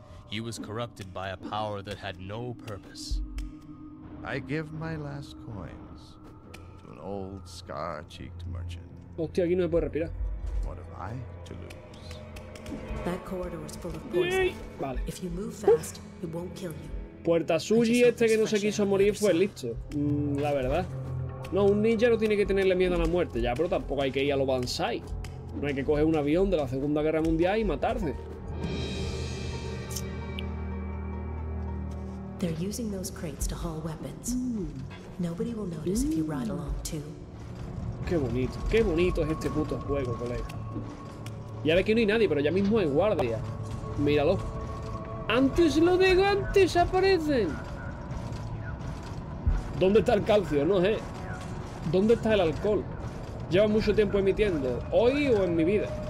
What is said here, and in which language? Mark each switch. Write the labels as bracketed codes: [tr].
[en] He was corrupted by a power that had no purpose. I give my last coins to an old scar-cheeked merchant. [es] Hostia, aquí no me puedo respirar. [en] What have I to lose? That corridor is full of poison. [es] Vale. [en] If you move fast, it won't kill you. [es] Puerta Suji, este que no se quiso morir, fue listo. La verdad. No, un ninja no tiene que tenerle miedo a la muerte, ya, pero tampoco hay que ir a lo Banzai. No hay que coger un avión de la Segunda Guerra Mundial y matarse. [en] They're using those crates to haul weapons. Nobody will notice if you ride along too. [es] Qué bonito es este puto juego, colega. Ya ve que no hay nadie, pero ya mismo hay guardia. Míralo. Antes lo digo, antes aparecen. ¿Dónde está el calcio? No sé. ¿Dónde está el alcohol? Lleva mucho tiempo emitiendo. ¿Hoy o en mi vida?